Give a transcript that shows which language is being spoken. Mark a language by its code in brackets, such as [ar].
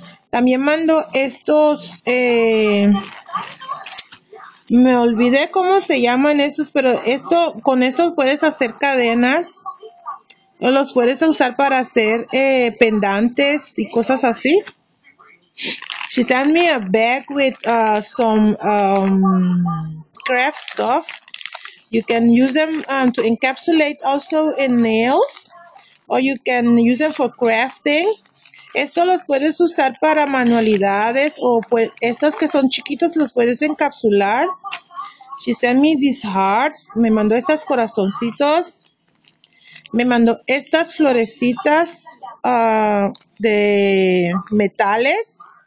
[es] También mandó estos, me olvidé cómo se llaman estos, pero esto, con esto puedes hacer cadenas. Los puedes usar para hacer pendantes y cosas así. [en] She sent me a bag with some craft stuff. You can use them to encapsulate also in nails, or you can use them for crafting. [es] Esto los puedes usar para manualidades, o estos que son chiquitos los puedes encapsular. [en] She sent me these hearts. [es] Me mandó estos corazoncitos. Me mandó estas florecitas de metales.